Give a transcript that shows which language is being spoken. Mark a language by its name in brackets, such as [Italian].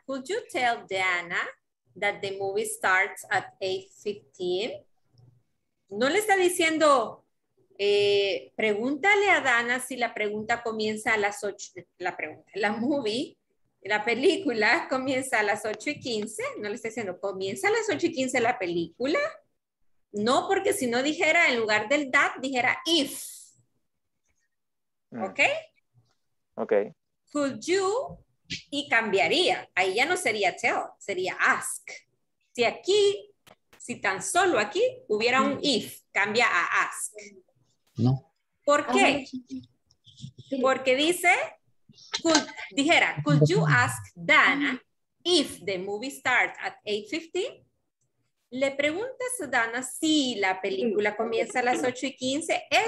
[English] Could you tell Diana that the movie starts at 8:15? [Spanish] No le está diciendo, pregúntale a Dana si la pregunta comienza a las 8, la pregunta, la movie, la película comienza a las 8:15. No le está diciendo, comienza a las 8:15 la película. No, porque si no dijera, en lugar del that, dijera if. Mm. ¿Ok? Ok. [English] Could you, [Spanish] y cambiaría, ahí ya no sería tell, sería ask. Si aquí, si tan solo aquí hubiera un if, cambia a ask. No. ¿Por qué? Porque dice, [English] could you ask Dana if the movie starts at 8:15? [Spanish] Le preguntas a Dana si la película comienza a las 8:15.